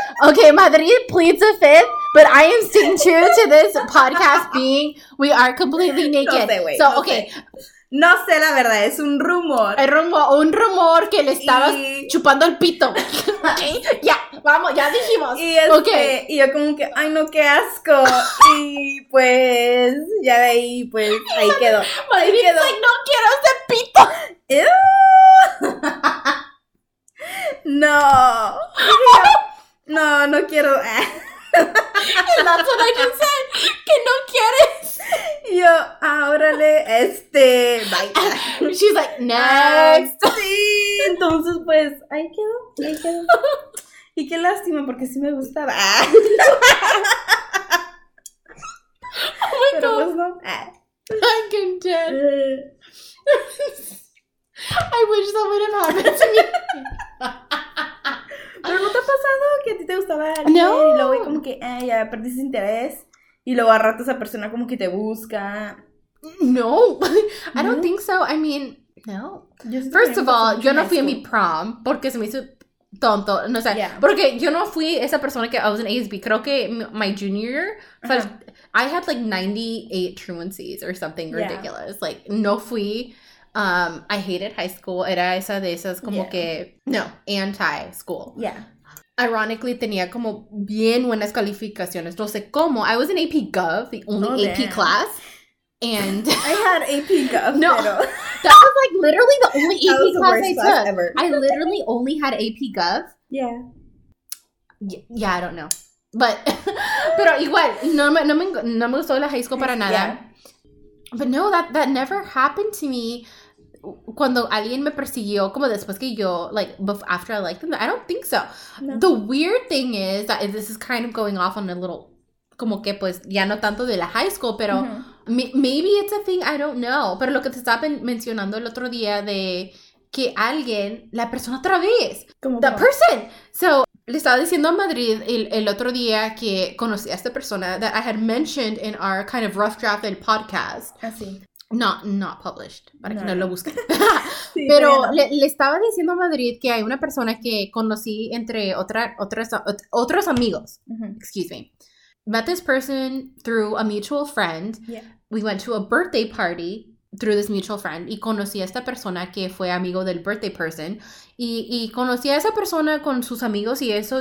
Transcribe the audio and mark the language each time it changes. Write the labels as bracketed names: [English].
[English] Okay, Madrid pleads a fifth, but I am sitting true to this podcast being we are completely naked. [Spanish] No sé, [English] wait, so, [Spanish] no [English] okay. [Spanish] Sé. No sé la verdad, es un rumor. El rumor, un rumor que le estaba chupando el pito. Okay, ya, vamos, ya dijimos. Y, okay. Y yo como que, ay, no, qué asco. Y pues, ya de ahí, pues, ahí quedó. Madrid ahí quedó. Like, no quiero ese pito. Ew. No. No, no quiero. [English] And that's what I just said. [Spanish] Que no quieres. Yo, órale, bye. [English] She's like, next. [Spanish] Sí. Entonces, pues, ahí quedó. Y qué lástima, porque sí me gustaba. [English] Oh, my God. [Spanish] Pero pues no. [English] I'm content. I wish that would have happened to me. [Spanish] ¿Pero no te ha pasado que a ti te gustaba alguien? No. Y luego y como que, ya perdiste interés. Y luego a rato esa persona como que te busca. [English] No. I don't think so. I mean, no. First of all, [Spanish] yo no fui a mi prom porque se me hizo tonto. No sé. [English] Yeah. [Spanish] Porque yo no fui esa persona que [English] I was an ASB. Creo que my junior, I had like 98 truancies or something ridiculous. Yeah. Like, [Spanish] no fui. [English] I hated high school. [Spanish] Era esa de esas como que... No, anti-school. [English] Yeah. [Spanish] Ironically, tenía como bien buenas calificaciones. No sé cómo. [English] I was in AP Gov, the only AP class. And... I had AP Gov. No. [Spanish] Pero. [English] That was like literally the only AP that was class the worst I took. Class ever. I literally only had AP Gov. Yeah. Yeah, I don't know. But... [Spanish] pero igual, no me gustó la high school para nada. [English] Yeah. But no, that never happened to me. [Spanish] Cuando alguien me persiguió, como después que yo, [English] like, after I liked them, I don't think so. No. The weird thing is that this is kind of going off on a little, [Spanish] como que pues, ya no tanto de la high school, pero [English] maybe it's a thing, I don't know. [Spanish] Pero lo que te estaba mencionando el otro día de que alguien, la persona otra vez. ¿Cómo [English] that person. So, [Spanish] le estaba diciendo a Madrid el otro día que conocí a esta persona [English] that I had mentioned in our kind of rough draft [Spanish] del podcast. Así. [English] Not published, [Spanish] para no. que no lo busquen. Sí, pero bueno. le estaba diciendo a Madrid que hay una persona que conocí entre otros amigos. Uh-huh. [English] Excuse me. met this person through a mutual friend. Yeah. We went to a birthday party through this mutual friend. [Spanish] Y conocí a esta persona que fue amigo del birthday person. Y conocí a esa persona con sus amigos y eso.